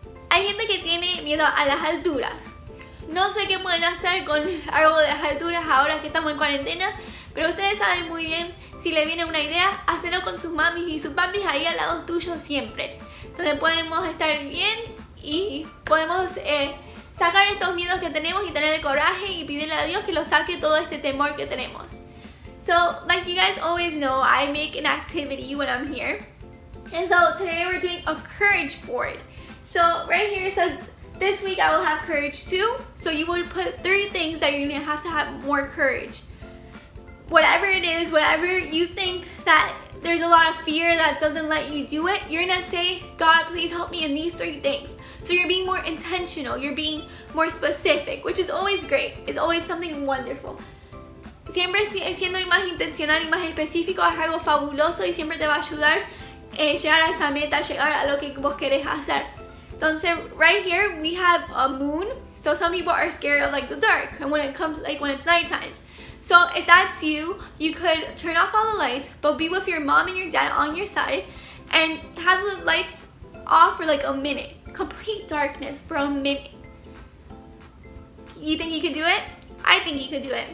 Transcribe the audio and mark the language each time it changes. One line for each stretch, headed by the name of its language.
Spanish: Hay gente que tiene miedo a las alturas. No sé qué pueden hacer con algo de las alturas ahora que estamos en cuarentena. Pero ustedes saben muy bien. Si si le viene una idea, hacelo con sus mamis y sus papis ahí al lado tuyo siempre. Entonces podemos estar bien y podemos sacar estos miedos que tenemos y tener el coraje y pedirle a Dios que lo saque todo este temor que tenemos.
English: So, like you guys always know, I make an activity when I'm here. And so today we're doing a courage board. So right here it says, this week I will have courage too. So you would put three things that you're gonna have to have more courage. Whatever it is, whatever you think that there's a lot of fear that doesn't let you do it, you're gonna say, God, please help me in these three things. So you're being more intentional, you're being more specific, which is always great. It's always something wonderful.
Spanish: Siempre siendo más intencional y más específico es algo fabuloso y siempre te va a ayudar llegar a esa meta, llegar a lo que vos querés hacer.
English: Entonces, right here, we have a moon. So some people are scared of like the dark and when it comes, like when it's nighttime. So if that's you, you could turn off all the lights, but be with your mom and your dad on your side and have the lights off for like a minute. Complete darkness for a minute. You think you could do it? I think you could do it.